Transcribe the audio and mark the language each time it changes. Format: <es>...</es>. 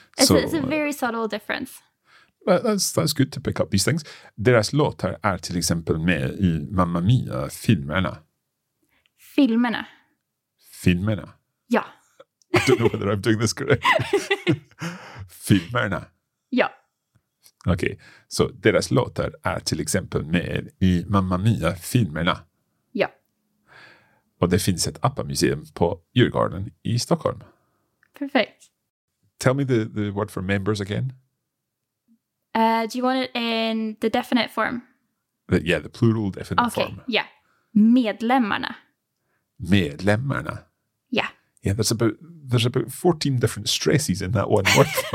<en>It's a very subtle difference. But that's good to pick up these things.</en> <sv>Deras låtar är till exempel med i Mamma Mia-filmerna. Filmerna. Filmerna. Ja.</sv> <en>I don't know whether I'm doing this correct.</en> <sv>Filmerna. Ja. Okej, okay. Så deras låtar är till exempel med i Mamma Mia-filmerna. Ja. Och det finns ett ABBA-museum på Djurgården i Stockholm. Perfekt.</sv> <en>Tell me the word for members again. Do you want it in the definite form? The plural definite okay. form. Okay, yeah. Medlemmarna.</en> <sv>Medlemmarna.</sv> <en>Yeah. Yeah, there's about 14 different stresses in that one word.</en>